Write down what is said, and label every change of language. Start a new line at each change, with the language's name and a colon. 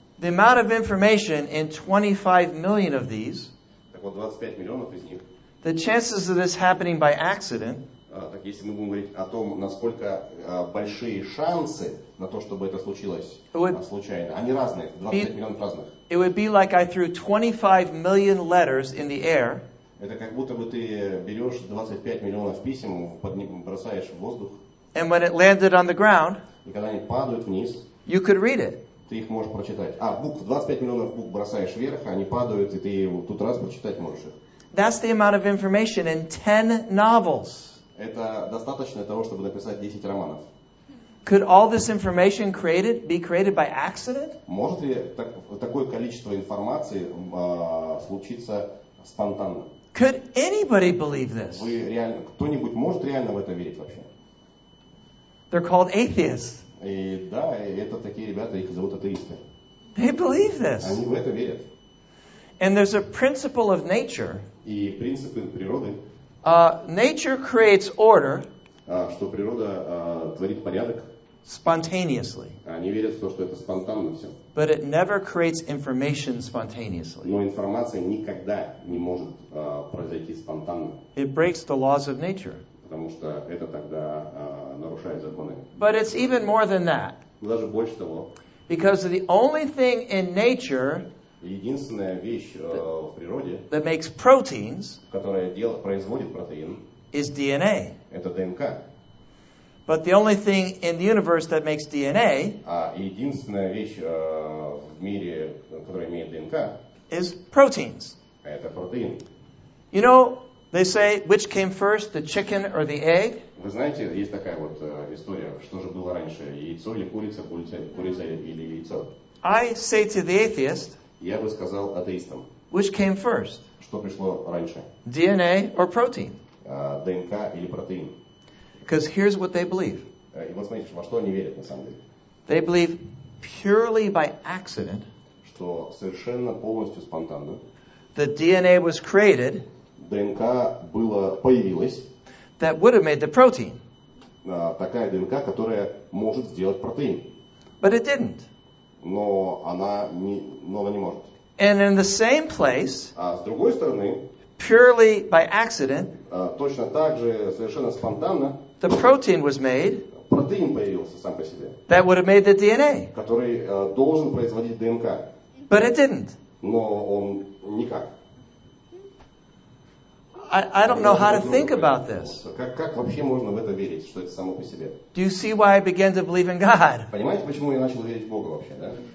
English: The amount of information in 25 million of these.
Russian: Так вот 25 миллионов из них.
English: The chances of this happening by accident.
Russian: Так если мы будем говорить о том, насколько большие шансы на то, чтобы это случилось случайно, они разные, 25 миллионов разных.
English: It would be like I threw 25 million letters in the air.
Russian: Это как будто бы ты берешь 25 миллионов писем, бросаешь в воздух.
English: And when it landed on the ground,
Russian: и когда они падают вниз,
English: you could read it.
Russian: Ты их можешь прочитать. А, букв, 25 миллионов букв бросаешь вверх, они падают, и ты вот тут раз прочитать можешь их.
English: That's the amount of information in 10 novels.
Russian: Это достаточно того, чтобы написать 10 романов.
English: Could all this information created be created by accident?
Russian: Может ли такое количество информации случиться спонтанно?
English: Could anybody believe this?
Russian: Вы реально, кто-нибудь может реально в это верить вообще?
English: They're called atheists.
Russian: И да, это такие ребята, их зовут атеисты.
English: They believe this.
Russian: Они в это верят.
English: And there's a principle of nature.
Russian: И принципы природы.
English: Nature creates order.
Russian: Что природа творит порядок.
English: Spontaneously.
Russian: Они верят в то, что это спонтанно все.
English: But it never creates information spontaneously.
Russian: Но информация никогда не может произойти спонтанно.
English: It breaks the laws of nature.
Russian: Потому что это тогда нарушает законы.
English: But it's even more than that.
Russian: Даже больше того.
English: Because the only thing in nature.
Russian: Единственная вещь в природе,
English: that makes proteins,
Russian: которая производит протеин,
English: is DNA.
Russian: Это ДНК.
English: But the only thing in the universe that makes DNA,
Russian: единственная вещь в мире, которая имеет ДНК,
English: is proteins.
Russian: Это протеин.
English: You know, they say, which came first, the chicken or the egg?
Russian: Вы знаете, есть такая вот история, что же было раньше, яйцо или курица, курица или яйцо?
English: I say to the atheist.
Russian: Я бы сказал атеистам.
English: Which came first?
Russian: Что пришло раньше?
English: DNA or protein?
Russian: ДНК или протеин?
English: Because here's what they believe.
Russian: И вот смотрите, во что они верят на самом деле.
English: They believe purely by accident.
Russian: Что совершенно полностью спонтанно.
English: The DNA was created.
Russian: ДНК было появилось.
English: That would have made the protein.
Russian: Такая ДНК, которая может сделать протеин.
English: But it didn't.
Russian: Но она не, но не может.
English: And in the same place,
Russian: с другой стороны,
English: purely by accident,
Russian: точно так же, совершенно спонтанно,
English: the protein was made,
Russian: протеин появился сам по себе,
English: that would have made the DNA,
Russian: который должен производить ДНК.
English: But it didn't.
Russian: Но он никак.
English: I don't know how to think about this.
Russian: Как вообще можно в это верить, что это само по себе?
English: Do you see why I began to believe in God?
Russian: Понимаете, почему я начал верить в Бога вообще, да?